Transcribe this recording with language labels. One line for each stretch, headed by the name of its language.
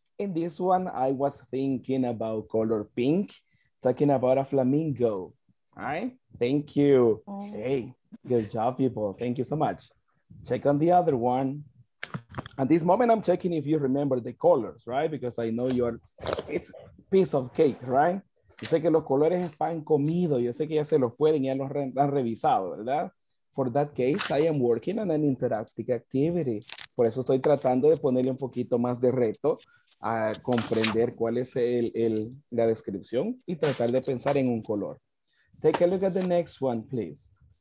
English: In this one, I was thinking about color pink, talking about a flamingo, all right? Thank you. Hey, good job, people. Thank you so much. Check on the other one. At this moment, I'm checking if you remember the colors, right? Because I know you're, it's piece of cake, right?
Spanish: Yo sé que los colores es pan comido. Yo sé que ya se los pueden, ya los han revisado, ¿verdad?
English: For that case, I am working on an interactive activity.
Spanish: Por eso estoy tratando de ponerle un poquito más de reto a comprender cuál es la descripción y tratar de pensar en un color.
English: Take a look at the next one, please.